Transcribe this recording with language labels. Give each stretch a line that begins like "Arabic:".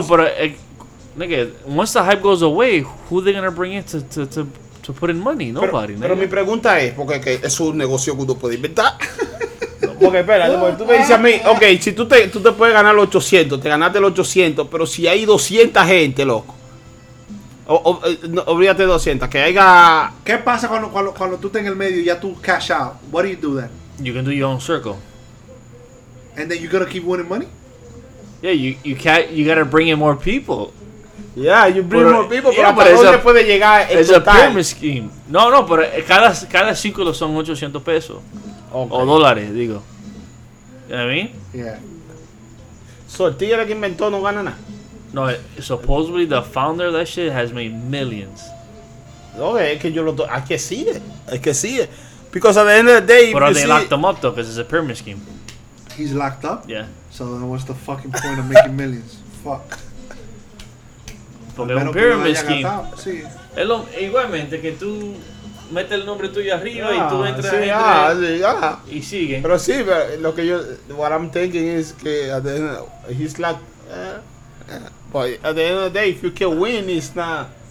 English: No, pero nigga, once the hype goes away, who they gonna bring in to put in money? Nobody.
Spanish: Pero
English: nigga.
Spanish: Mi pregunta es, porque que es un negocio que uno puede inventar. No, porque espera, tú me dices a mí, okay, si tú te puedes ganar los 800, te ganaste los 800, pero si hay 200 gente, loco. Olvídate de 200, que haya. ¿Qué pasa cuando tú estás en el medio y ya tú cash out?
English: What do you do then? You can do your own circle. And then you're going to keep winning money? Yeah, you can't. You got to bring in more people. Yeah, you bring more people. Yeah, but it's
Spanish: puede llegar en total.
English: It's a pyramid scheme.
Spanish: No, pero cada círculo son 800 pesos.
English: Okay.
Spanish: O dólares, digo.
English: You know what I mean? Yeah.
Spanish: So, el tigre que inventó no gana nada.
English: No, supposedly the founder of that shit has made millions.
Spanish: Okay, es que yo lo doy. Hay que seguir.
English: Because at the end of the day, but are they locked him up though? Because it's a pyramid scheme. He's locked up. Yeah. So then, what's the fucking point of making millions? Fuck.
Spanish: Porque es un pyramid scheme. Sí. Igualmente que tú metes el nombre tuyo arriba y tú entras. Sí. Y sigue. Pero sí, lo que yo,
English: what I'm thinking is
Spanish: que
English: at the end of the day, he's locked. But at the end of the day, if you can win, it's not.